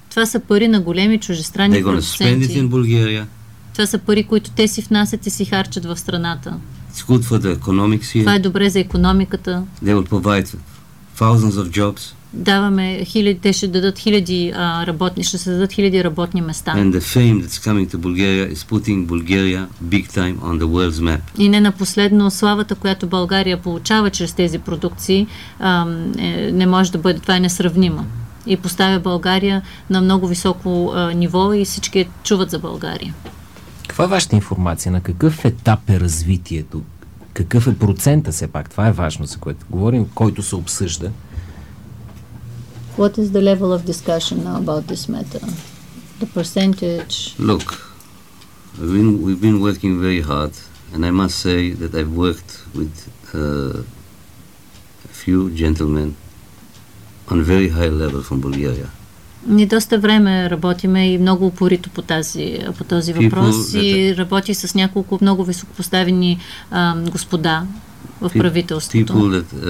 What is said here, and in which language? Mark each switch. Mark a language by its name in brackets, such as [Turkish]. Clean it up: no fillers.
[Bulgarian] Това са пари на големи чужестранни продуценти. Това са пари, които те си внасят и си харчат в страната. Това е добре за икономиката. [English] They will provide thousands of jobs. [Bulgarian] Даваме хиляди, те ще дадат хиляди работни, ще създадат хиляди работни места. [English] And the fame that's coming to Bulgaria is putting Bulgaria big time on the world's map. [Bulgarian] И не на последно, славата, която България получава чрез тези продукции, не може да бъде, това е несравнима. И поставя България на много високо ниво и всички чуват за България. Каква е вашата информация? На какъв етап е развитието? Какъв е процента все пак? Това е важно, за което говорим, който се обсъжда. [English] What is the level of discussion now about this matter? The percentage? Look, we've been working very hard, and I must say that I've worked with a few gentlemen on very high level from Bulgaria. [Bulgarian] Ние доста време работиме и много упорито по този въпрос и работи с няколко много високопоставени господа в правителството.